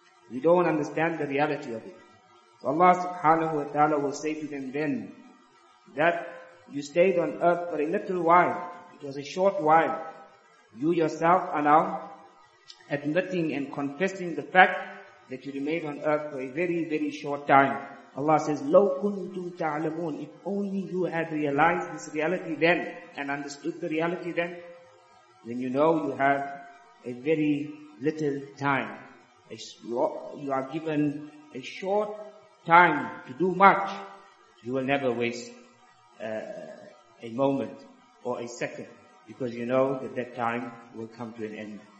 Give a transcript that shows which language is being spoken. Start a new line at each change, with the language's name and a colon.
English: We don't understand the reality of it. So Allah subhanahu wa ta'ala will say to them then that you stayed on earth for a little while. It was a short while. You yourself are now admitting and confessing the fact that you remained on earth for a very, very short time. Allah says,
Arabic: لَوْ كُنْتُمْ تَعْلَمُونَ.
English: If only you had realized this reality then and understood the reality then you know you have a very little time. You are given a short time to do much. You will never waste a moment or a second, because you know that that time will come to an end.